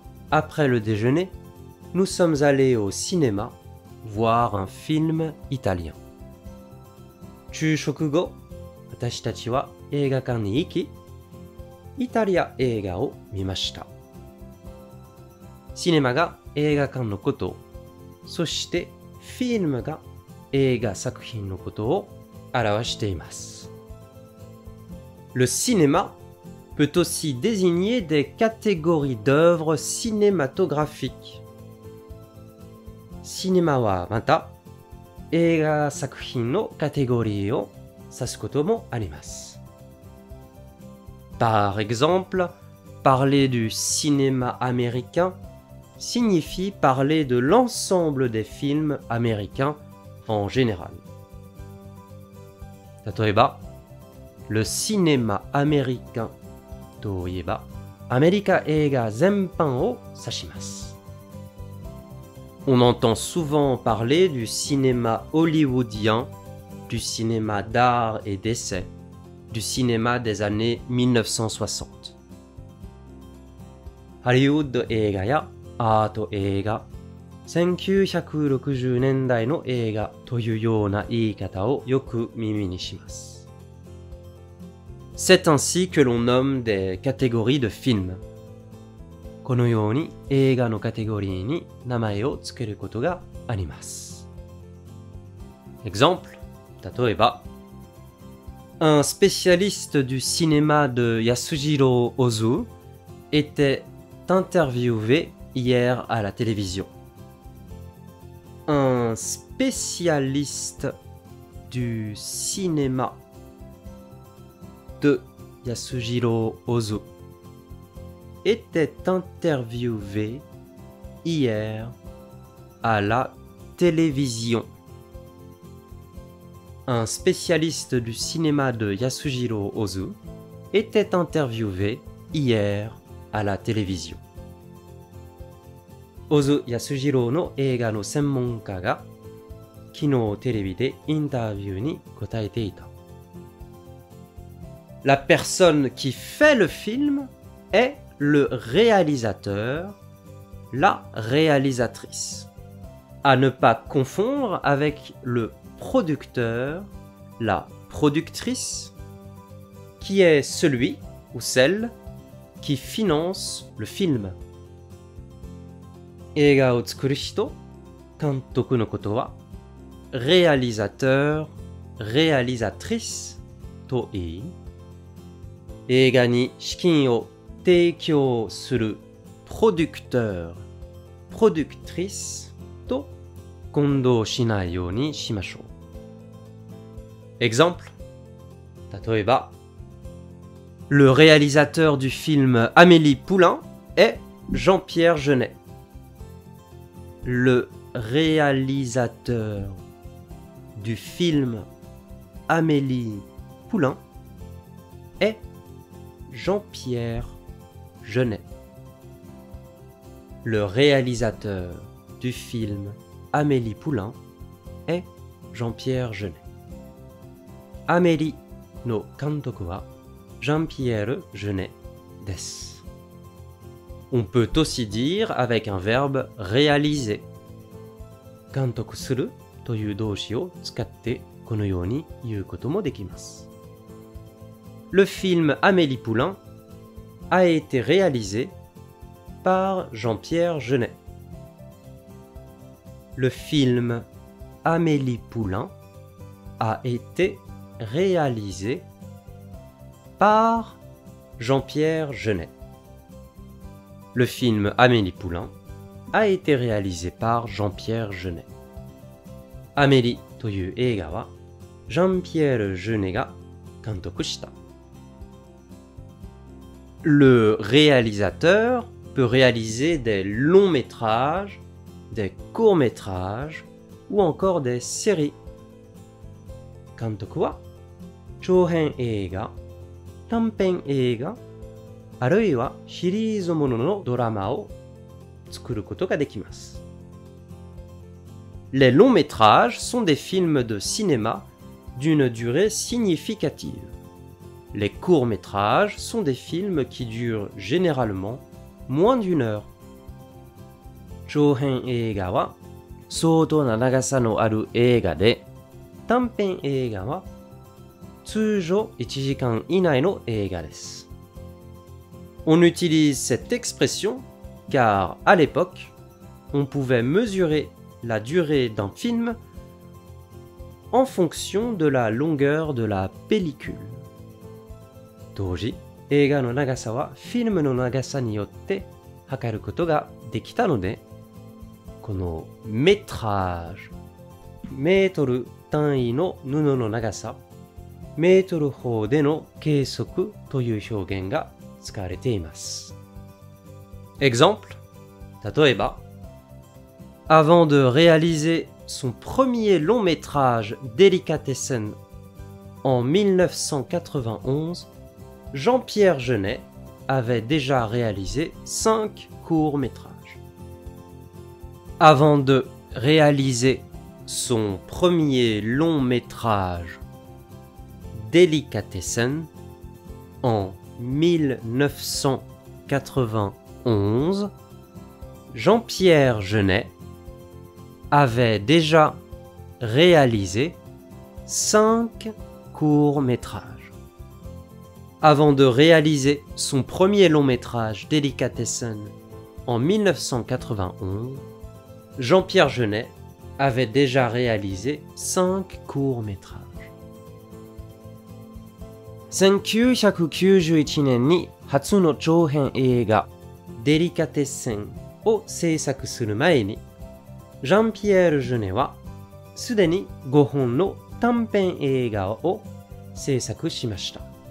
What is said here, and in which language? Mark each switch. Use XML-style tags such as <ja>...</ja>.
<fr>Après le déjeuner, nous sommes allés au cinéma voir un film italien.</fr> <ja>昼食後、私たちは映画館に行き、イタリア映画を見ました。シネマが映画館のこと、そしてフィルムが映画作品のことを表しています。</ja> <fr>Le cinéma peut aussi désigner des catégories d'œuvres cinématographiques.</fr> <ja>シネマはまた、映画作品のカテゴリーを指すこともあります。</ja> <fr>Par exemple, parler du cinéma américain signifie parler de l'ensemble des films américains en général.</fr> <ja>例えば、</ja> <fr>le cinéma américain</fr> <ja>といえば、アメリカ映画全般を指します。</ja> <fr>On entend souvent parler du cinéma hollywoodien, du cinéma d'art et d'essai, du cinéma des années 1960.</fr> <ja>Hollywood 映画やアート映画、1960年代の映画というような言い方をよく耳にします。</ja> <fr>C'est ainsi que l'on nomme des catégories de films.</fr> <ja>このように映画のカテゴリーに名前をつけることがあります。</ja> <fr>Exemple,</fr> <ja>例えば、</ja> <fr>Un spécialiste du cinéma de Yasujiro Ozu était interviewé hier à la télévision. Un spécialiste du cinéma de Yasujiro Ozu. était interviewé hier à la télévision. Un spécialiste du cinéma de Yasujiro Ozu était interviewé hier à la télévision.</fr> <ja>Ozu Yasujiro の映画の専門家が昨日テレビでインタビューに答えていた。</ja> <fr>La personne qui fait le film est... Le réalisateur, la réalisatrice. À ne pas confondre avec le producteur, la productrice, qui est celui ou celle qui finance le film.</fr> <ja>映画を作る人、監督のことは、</ja> <fr>réalisateur、réalisatrice</fr> <ja>と言い、映画に資金を提供する</ja> <fr>producteur、productrice</fr> <ja>と混同しないようにしましょう。</ja> <fr>Exemple、</fr> <ja>例えば、</ja> <fr>Le réalisateur du film Amélie Poulain est Jean-Pierre Jeunet. Le réalisateur du film Amélie Poulain est Jean-Pierre Jeunet. Le réalisateur du film Amélie Poulain est Jean-Pierre Jeunet.</fr> <ja>Amélie no Kantokuwa Jean-Pierre Jeunet des.</ja> <fr>On peut aussi dire avec un verbe réaliser.</fr> <ja>監督するという動詞を使ってこのように言うこともできます。</ja> <fr>Le film Amélie Poulain a été réalisé par Jean-Pierre Jeunet. Le film Amélie Poulain a été réalisé par Jean-Pierre Jeunet. Le film Amélie Poulain a été réalisé par Jean-Pierre Jeunet.</fr> <ja>Amélie という映画は Jean-Pierre Jeunet が監督した。</ja> <fr>Le réalisateur peut réaliser des longs métrages, des courts métrages ou encore des séries.</fr> <ja>監督は長編映画短編映画、あるいはシリーズもののドラマを作ることができます。</ja> <fr>Les longs métrages sont des films de cinéma d'une durée significative. Les courts métrages sont des films qui durent généralement moins d'une heure.</fr> <ja>長編映画は相当な長さのある映画で、短編映画は通常1時間以内の映画です。</ja> <fr>On utilise cette expression car à l'époque, on pouvait mesurer la durée d'un film en fonction de la longueur de la pellicule.</fr> <ja>当時、映画の長さはフィルムの長さによって測ることができたので、このメートラージ、メートル単位の布の長さ、メートル法での計測という表現が使われています。</ja> <fr>Exemple、</fr> <ja>例えば、</ja> <fr>Avant de réaliser son premier long métrage Délicatessen en 1991, Jean-Pierre Jeunet avait déjà réalisé 5 courts métrages. Avant de réaliser son premier long métrage Délicatessen en 1991, Jean-Pierre Jeunet avait déjà réalisé 5 courts-métrages. Avant de réaliser son premier long-métrage Délicatessen en 1991, Jean-Pierre Jeunet avait déjà réalisé 5 courts-métrages.</fr> <ja>1991年に初の長編映画デリカテッセンを制作する前にジャンピエール・ジュネはすでに5本の短編映画を制作しました。</ja>